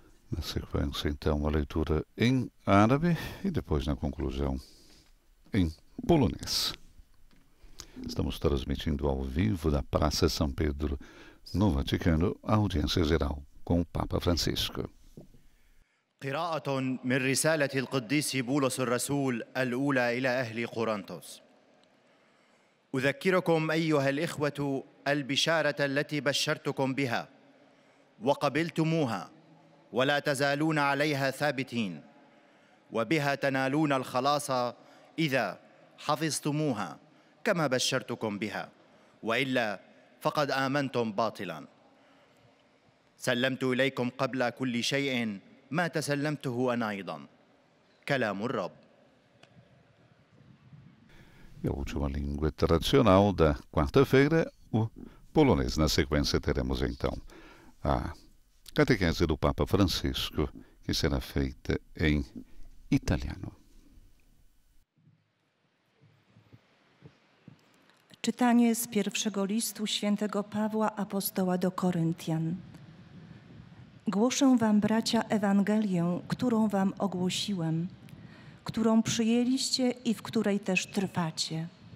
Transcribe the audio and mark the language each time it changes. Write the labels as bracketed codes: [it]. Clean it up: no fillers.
[pt] Na sequência, então, a leitura em árabe e depois, na conclusão, em polonês. Estamos transmitindo ao vivo da Praça São Pedro, no Vaticano, a audiência geral com o Papa Francisco. [ar] قراءة من رسالة القديس بولس الرسول الأولى إلى أهل قرنطس. أذكركم أيها الإخوة البشارة التي بشرتكم بها وقبلتموها ولا تزالون عليها ثابتين، وبها تنالون الخلاص إذا حفظتموها كما بشرتكم بها، وإلا فقد آمنتم باطلا. سلمت إليكم قبل كل شيء ما تسلمته أنا أيضا كلام الرب. [pt] E a última língua tradicional da quarta-feira, o polonês. Na sequência teremos então a catequese do Papa Francisco, que será feita em italiano. [pl] Czytanie z pierwszego listu świętego Pawła apostoła do Koryntian. Głoszę wam, bracia, Ewangelię, którą wam ogłosiłem, którą przyjęliście i w której też trwacie.